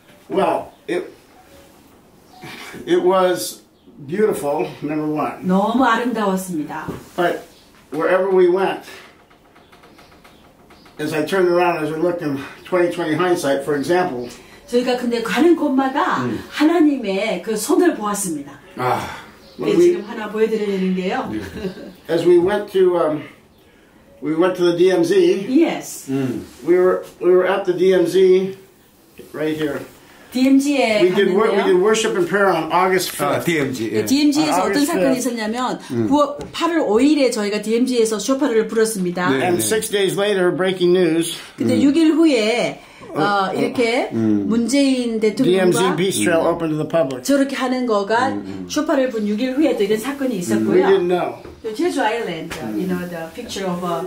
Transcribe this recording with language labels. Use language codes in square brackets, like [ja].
[en] Well, it was beautiful, number one. [ko] 너무 아름다웠습니다. [en] But wherever we went, as I turned around, as I looked in 2020 hindsight, for example, [ko] 저희가 근데 가는 곳마다 하나님의 그 손을 보았습니다. 아, 네, 지금 하나 보여드리는데요. [en] Yeah. As we went to We went to the DMZ. Yes. We were at the DMZ, right here. [ko] DMZ에 [en] we did [ko] 갔는데요. [en] We did worship and prayer on August 5th. DMZ. Yeah. [ko] DMZ에서 어떤 사건이 있었냐면 8월 5일에 저희가 DMZ에서 쇼파를 불었습니다. [en] Yeah. And 6 days later, breaking news. [ko] 근데 6일 후에 이렇게 문재인 대통령과 [en] DMZ open to the public. [ko] 저렇게 하는 거가 쇼파를 분 6일 후에도 이런 사건이 있었고요. [en] We didn't know. Jeju Island, you know, the picture of